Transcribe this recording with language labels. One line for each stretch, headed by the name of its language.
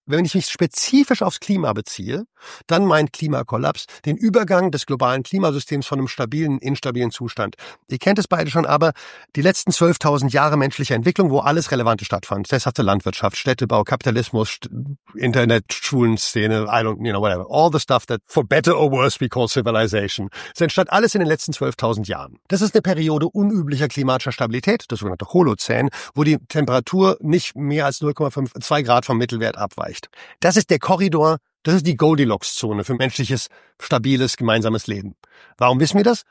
German: Wenn ich mich spezifisch aufs Klima beziehe, dann meint Klimakollaps den Übergang des globalen Klimasystems von einem stabilen, instabilen Zustand. Ihr kennt es beide schon, aber die letzten 12.000 Jahre menschlicher Entwicklung, wo alles Relevante stattfand, sesshafte Landwirtschaft, Städtebau, Kapitalismus, Internet, Schulenszene,
English: I don't, you know, whatever. All the stuff that, for better or worse, we call civilization.
German: Es entstand alles in den letzten 12.000 Jahren. Das ist eine Periode unüblicher klimatischer Stabilität, das sogenannte Holozän, wo die Temperatur nicht mehr als 0,52 Grad vom Mittelwert abweicht. Das ist der Korridor, das ist die Goldilocks-Zone für menschliches, stabiles, gemeinsames Leben. Warum wissen wir das?